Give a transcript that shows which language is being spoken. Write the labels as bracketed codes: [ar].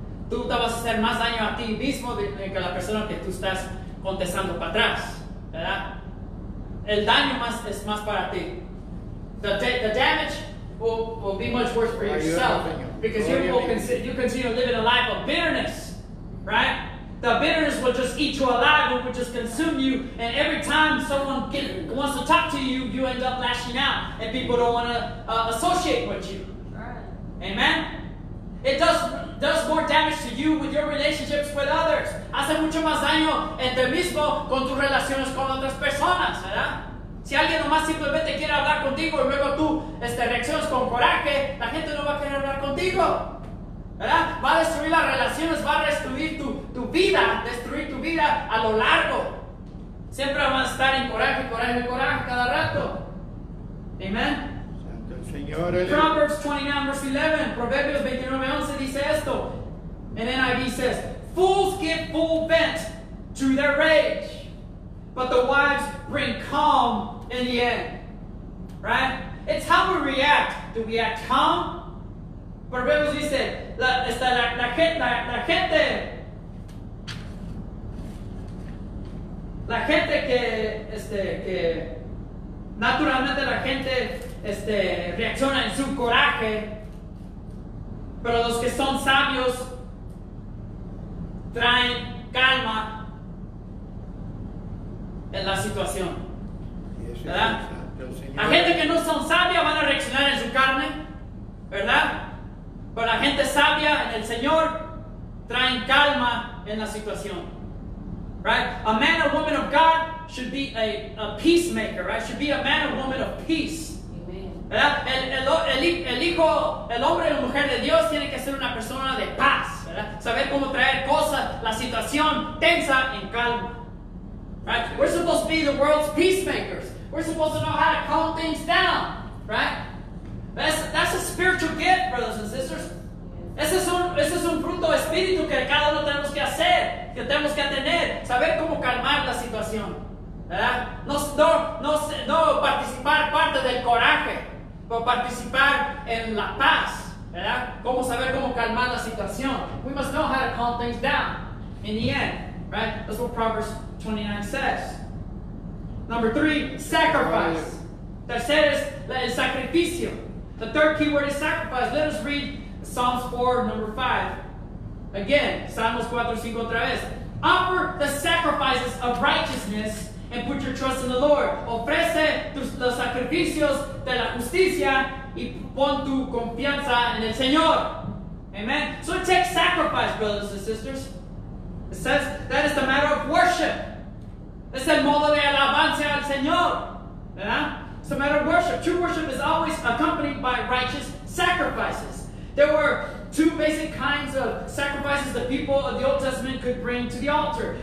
[es] Tú te vas a hacer más daño a ti mismo que a la persona que tú estás contestando para atrás, ¿verdad? El daño es más para ti. [en] The damage will be much worse for yourself, because you continue living a life of bitterness, right? The bitterness will just eat you alive, it will just consume you, and every time someone wants to talk to you, you end up lashing out, and people don't want to associate with you. Right. Amen? It does more damage to you with your relationships with others. [es] Hace mucho más daño en ti mismo con tus relaciones con otras personas, ¿verdad? Si alguien nomás simplemente quiere hablar contigo y luego tú reaccionas con coraje, la gente no va a querer hablar contigo, ¿verdad? Va a destruir las relaciones, va a destruir tu vida, destruir tu vida a lo largo. Siempre van a estar en coraje cada rato. Amen. [en] Proverbs 29 verse 11, [es] Proverbios 29 11 dice esto. [en] And NIV says, fools give full vent to their rage, but the wise bring calm in the end. Right? It's how we react. Do we act calm? [es] Proverbios dice, la gente reacciona en su coraje, pero los que son sabios traen calma en la situación. ¿Verdad? La gente que no son sabia van a reaccionar en su carne, ¿verdad? Pero la gente sabia en el Señor traen calma en la situación. [en] Right? A man or woman of God should be a peacemaker, right? Should be a man or woman of peace. [es] El hombre o mujer de Dios tiene que ser una persona de paz, ¿verdad? Saber cómo traer cosas, la situación tensa en calma, [en] right? We're supposed to be the world's peacemakers. We're supposed to know how to calm things down, right? That's a spiritual gift, brothers and sisters. [es] Ese es un fruto espíritu que cada uno tenemos que hacer, que tenemos que tener, saber cómo calmar la situación. No participar parte del coraje, pero participar en la paz, ¿verdad? Cómo saber cómo calmar la situación. [en] We must know how to calm things down in the end, right? That's what Proverbs 29 says. Number three, sacrifice. [es] Tercero es el sacrificio. [en] The third keyword is sacrifice. Let us read Psalms 4, number 5. Again, [es] Salmos 4, 5 otra vez. [en] Offer the sacrifices of righteousness and put your trust in the Lord. [es] Ofrece los sacrificios de la justicia y pon tu confianza en el Señor. [en] Amen. So it takes sacrifice, brothers and sisters. It says that is the matter. [es] el modo de alabanza al Señor. ¿Verdad? [en] It's a matter of worship. True worship is always accompanied by righteous sacrifices. There were two basic kinds of sacrifices the people of the Old Testament could bring to the altar.